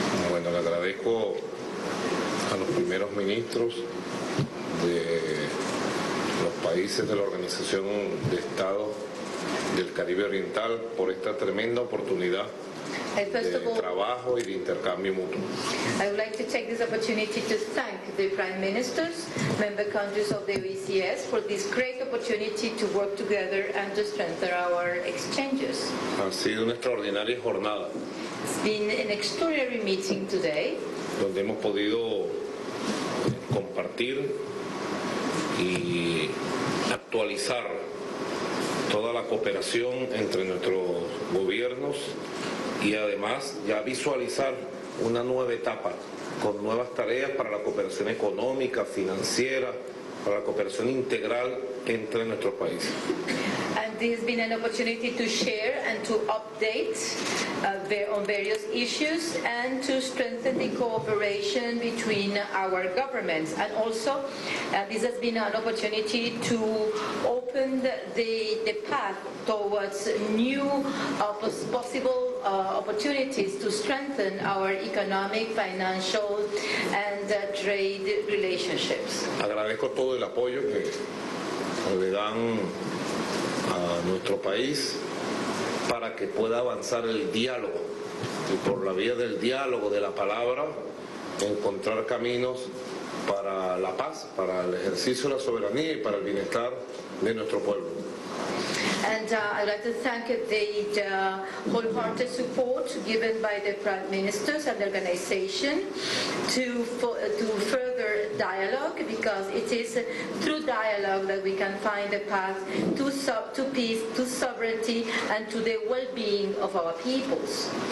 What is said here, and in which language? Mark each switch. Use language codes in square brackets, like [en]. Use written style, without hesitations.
[es] Bueno, le agradezco a los primeros ministros de los países de la Organización de Estados del Caribe Oriental por esta tremenda oportunidad de trabajo y de intercambio mutuo. [en] I would like to take this opportunity to thank the prime ministers, member countries of the OECS for this great opportunity to work together and to strengthen our exchanges. [es] Ha sido una extraordinaria jornada. [en] It's been an extraordinary meeting today. [es] Donde hemos podido compartir y actualizar toda la cooperación entre nuestros gobiernos y además ya visualizar una nueva etapa con nuevas tareas para la cooperación económica, financiera, para la cooperación integral entre nuestros países. [en] And this has been an opportunity to share and to update on various issues and to strengthen the cooperation between our governments. And also, this has been an opportunity to open the path towards new possible opportunities to strengthen our economic, financial, and trade relationships. [es] Agradezco todo el apoyo que le dan a nuestro país para que pueda avanzar el diálogo y por la vía del diálogo, de la palabra, encontrar caminos para la paz, para el ejercicio de la soberanía y para el bienestar de nuestro pueblo. [en] And I'd like to thank the wholehearted support given by the prime ministers and the organization to further dialogue, because it is through dialogue that we can find a path to peace, to sovereignty, and to the well-being of our peoples.